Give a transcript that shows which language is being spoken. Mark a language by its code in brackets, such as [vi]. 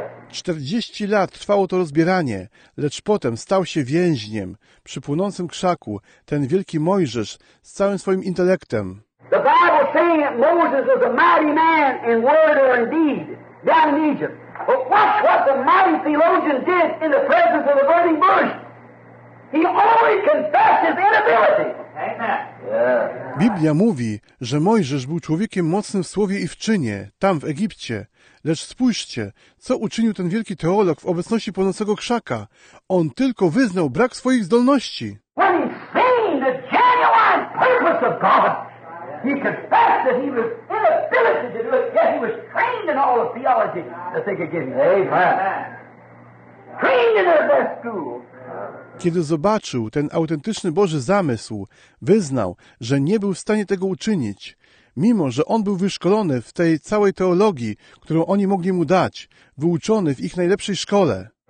[pl] Czterdzieści lat trwało to rozbieranie, lecz potem stał się więźniem. Przy płonącym krzaku ten wielki Mojżesz z całym swoim intelektem. [en] The Bible saying that Moses was a mighty man in word or in deed down in Egypt. But watch what the mighty theologian did in the presence of the burning bush. He only confessed his inability. [pl] Biblia mówi, że Mojżesz był człowiekiem mocnym w słowie i w czynie, tam w Egipcie. Lecz spójrzcie, co uczynił ten wielki teolog w obecności płonącego krzaka. On tylko wyznał brak swoich zdolności. [en] When he seen the genuine purpose of God, he confessed that he was inability to do it, yet he was trained in all the theology that they could give him. Amen. Trained in their best school. [pl] Kiedy zobaczył ten autentyczny Boży zamysł, wyznał, że nie był w stanie tego uczynić. Mimo, że on był wyszkolony w tej całej teologii, którą oni mogli mu dać, wyuczony w ich najlepszej szkole.